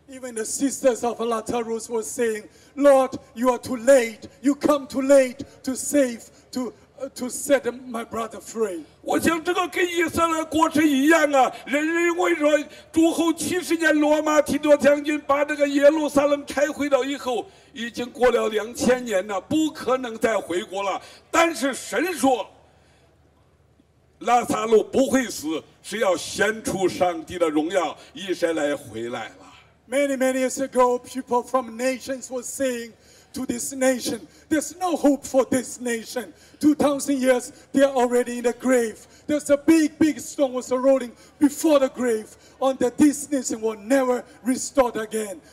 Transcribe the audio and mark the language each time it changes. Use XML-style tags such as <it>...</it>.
<en>Even the sisters of Lazarus were saying, "Lord, you are too late. You come too late to save to set my brother free."</en> <zh>我想这个跟以色列过程一样啊，人认为说主后70年罗马提多将军把这个耶路撒冷拆毁了以后，已经过了2000年了，不可能再回国了。但是神说，拉撒路不会死，是要显出上帝的荣耀，以色列回来了。</zh> <en>Many many years ago, people from nations were saying to this nation, "There's no hope for this nation. 2,000 years, they are already in the grave. There's a big, big stone was rolling before the grave, on that this nation will never restore again.</en>